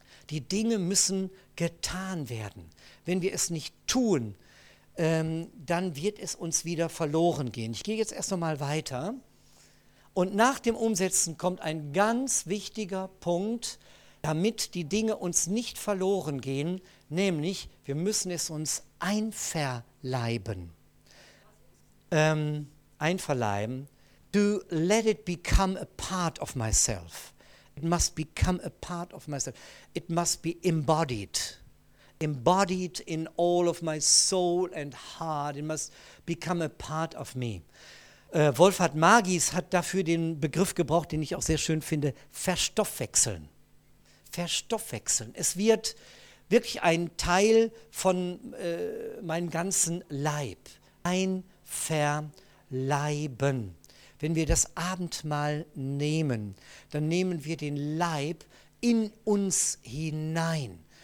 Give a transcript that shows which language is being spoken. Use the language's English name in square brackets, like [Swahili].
[German] Die Dinge müssen getan werden. Wenn wir es nicht tun, dann wird es uns wieder verloren gehen. Ich gehe jetzt erst nochmal weiter. Und nach dem Umsetzen kommt ein ganz wichtiger Punkt, damit die Dinge uns nicht verloren gehen, nämlich wir müssen es uns einverleiben. Einverleiben. [English] To let it become a part of myself. It must become a part of myself. It must be embodied. Embodied in all of my soul and heart. It must become a part of me. [German] Wolfhard Magis hat dafür den Begriff gebraucht, den ich auch sehr schön finde, verstoffwechseln. Verstoffwechseln. Es wird wirklich ein Teil von meinem ganzen Leib. Einverleiben. Wenn wir das Abendmahl nehmen, dann nehmen wir den Leib in uns hinein.